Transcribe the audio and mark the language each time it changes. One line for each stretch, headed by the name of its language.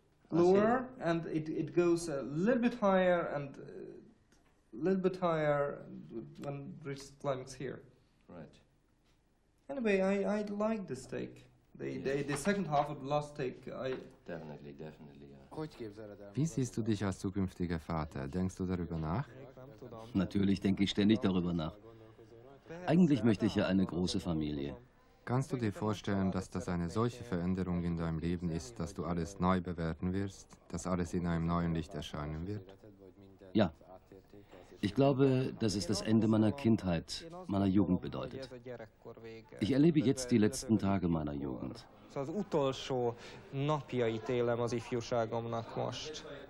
English: Lower, and it goes a little bit higher, and a little bit higher when bridge climbs here. Right. Anyway, I like this take. The second half of the last take, I... Definitely, yeah.
German: Wie siehst du dich als zukünftiger Vater? Denkst du darüber nach? Natürlich denke ich ständig darüber nach. Eigentlich möchte ich ja eine große Familie. Kannst du dir vorstellen, dass das eine solche Veränderung in deinem Leben ist, dass du alles neu bewerten wirst, dass alles in einem neuen Licht erscheinen wird? Ja. Ich glaube, dass es das Ende meiner Kindheit, meiner Jugend bedeutet. Ich erlebe jetzt die letzten Tage meiner Jugend.
Hungarian: Az utolsó napjait élem az ifjúságomnak most.